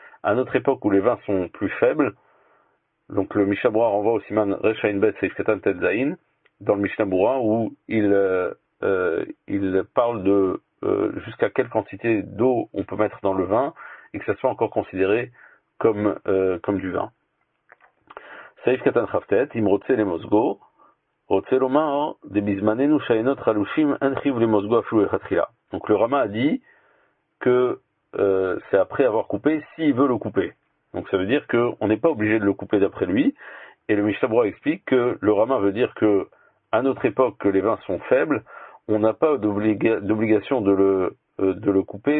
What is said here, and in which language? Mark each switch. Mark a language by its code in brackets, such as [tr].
[fr] À notre époque où les vins sont plus faibles, donc le Mishnah Berurah renvoie au siman reshain bet seif katan tetzain dans le Mishnah Berurah où il parle de jusqu'à quelle quantité d'eau on peut mettre dans le vin et que ça soit encore considéré comme du vin. Saif katan chaftet, [he] imrotse le mosgo, רוצה לומר, זה בזמננו שעיינות חלושים אין חיוב למוזגו אפילו לך תחילה. [fr] Donc le Rama a dit que c'est après avoir coupé s'il veut le couper. Donc ça veut dire qu'on n'est pas obligé de le couper d'après lui. Et le Mishnah Berurah explique que le Rama veut dire que à notre époque, que les vins sont faibles, on n'a pas d'obligation de le couper.